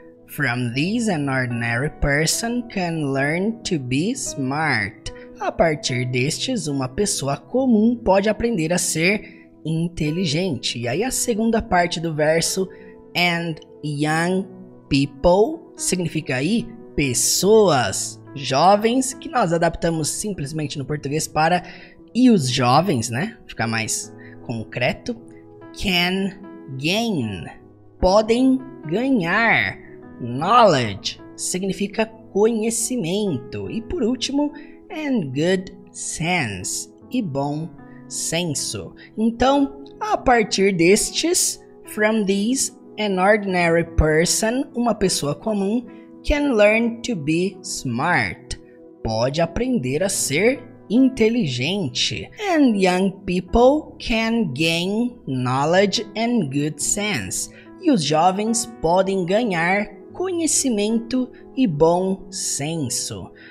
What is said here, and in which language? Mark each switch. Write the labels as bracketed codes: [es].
[en] From this, an ordinary person can learn to be smart. [pt] A partir destes, uma pessoa comum pode aprender a ser inteligente. E aí a segunda parte do verso, [en] and young people, [pt] significa aí pessoas, jovens, que nós adaptamos simplesmente no português para e os jovens, né? Ficar mais concreto. [en] Can gain, [pt] podem ganhar. Knowledge significa conhecimento. E por último, [en] and good sense, [pt] e bom senso. Então, a partir destes, [en] from these, an ordinary person, [pt] uma pessoa comum, [en] can learn to be smart, [pt] pode aprender a ser inteligente. [en] And young people can gain knowledge and good sense. [pt] E os jovens podem ganhar conhecimento e bom senso.